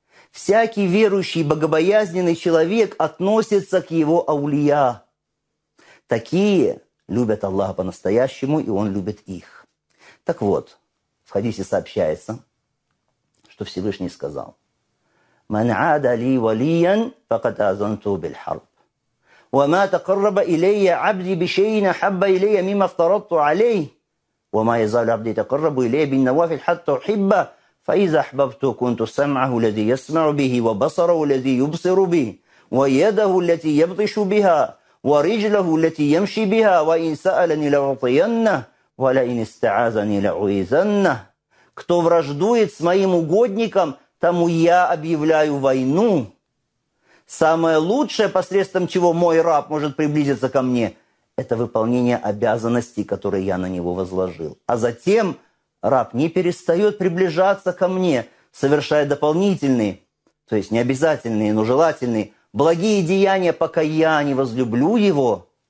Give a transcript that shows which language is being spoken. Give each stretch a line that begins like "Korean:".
Russian: Всякий верующий и богобоязненный человек относится к его аулия. Такие любят Аллаха по-настоящему, и Он любит их. Так вот, в хадисе сообщается, что Всевышний сказал:
Arabic: «Ман ада ли валиян, факад азанту бил харб». وما تقرب إلي عبدي بشيء حب إلي مما افترضت عليه وما يزال عبدي تقرب إلي بالنوافل حتى أحبه فإذا أحببت كنت سمعه الذي يسمع به وبصره الذي يبصر به ويده التي يبطش بها ورجله التي يمشي بها وإن سألني لأعطينه ولئن استعاذني لأعيذنه.
Russian: Кто враждует с моим угодником, тому я объявляю войну. Самое лучшее, посредством чего мой раб может приблизиться ко мне, это выполнение обязанностей, которые я на него возложил. А затем раб не перестает приближаться ко мне, совершая дополнительные, то есть не обязательные, но желательные, благие деяния, пока я не возлюблю его.